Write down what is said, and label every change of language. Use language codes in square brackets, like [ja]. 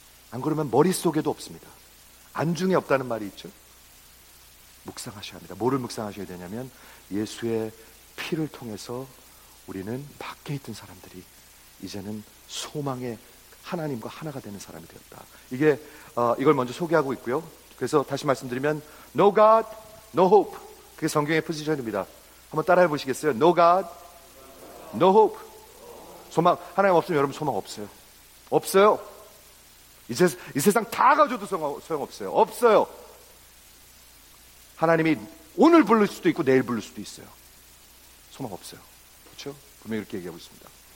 [ko] 안 그러면 머릿속에도 없습니다. 안중에 없다는 말이 있죠. 묵상하셔야 합니다. 뭐를 묵상하셔야 되냐면 예수의 피를 통해서 우리는 밖에 있던 사람들이 이제는 소망의 하나님과 하나가 되는 사람이 되었다. 이게 이걸 먼저 소개하고 있고요. 그래서 다시 말씀드리면 [en] No God, No Hope. [ko] 그게 성경의 포지션입니다. 한번 따라해 보시겠어요? [en] No God, No hope. [ko] 소망. 하나님 없으면 여러분 소망 없어요. 없어요. 이 세상 다 가져도 소용 없어요. 없어요. 하나님이 오늘 부를 수도 있고 내일 부를 수도 있어요. 소망 없어요. 그렇죠? 분명히 이렇게 얘기하고 있습니다.